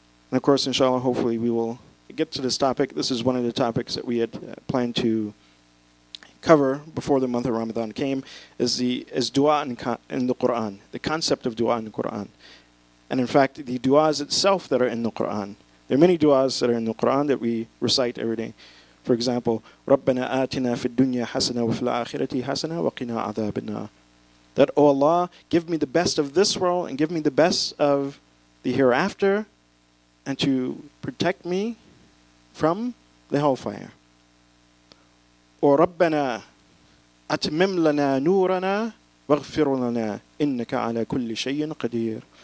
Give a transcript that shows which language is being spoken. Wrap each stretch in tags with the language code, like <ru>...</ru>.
<en>And of course, inshallah, hopefully we will get to this topic. This is one of the topics that we had planned to cover before the month of Ramadan came, is dua in the Qur'an, the concept of dua in the Qur'an. And in fact, the duas itself that are in the Qur'an, there are many duas that are in the Qur'an that we recite every day. For example,</en> <ar>رَبَّنَا آتِنَا فِي الدُّنْيَا حَسَنَا وَفِي الْآخِرَةِ حَسَنَا وَقِنَا عَذَابَ النَّارِ.</ar> <en>That, O Allah, give me the best of this world and give me the best of the hereafter, and to protect me from the hellfire.</en> <ar>Or رَبَّنَا أَتْمِمْ لَنَا نُورَنَا وَغْفِرُ لَنَا إِنَّكَ عَلَى كُلِّ شَيْءٍ قَدِيرٌ.</ar>